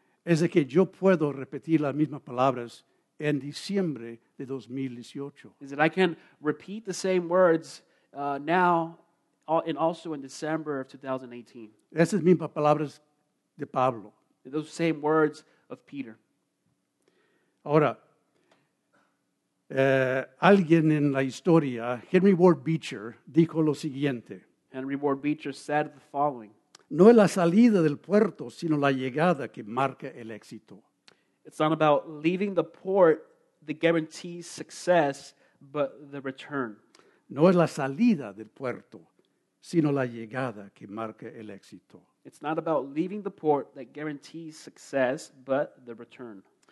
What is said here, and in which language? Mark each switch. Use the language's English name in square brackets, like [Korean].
[Spanish] Es de que yo puedo repetir las mismas palabras en diciembre de 2018. [English] Is that I can repeat the same words now and also in December of 2018. [Spanish] Esas mismas palabras de Pablo. [English] Those same words of Peter. [Spanish] Ahora, alguien en la historia, Henry Ward Beecher, dijo lo siguiente. [English] Henry Ward Beecher said the following. [Spanish] No es la salida del puerto, sino la llegada que marca el éxito. [English] It's not about leaving the port that guarantees success, but the return. [Spanish] No es la salida del puerto, sino la llegada que marca el éxito. [English] It's not about leaving the port that guarantees success, but the return.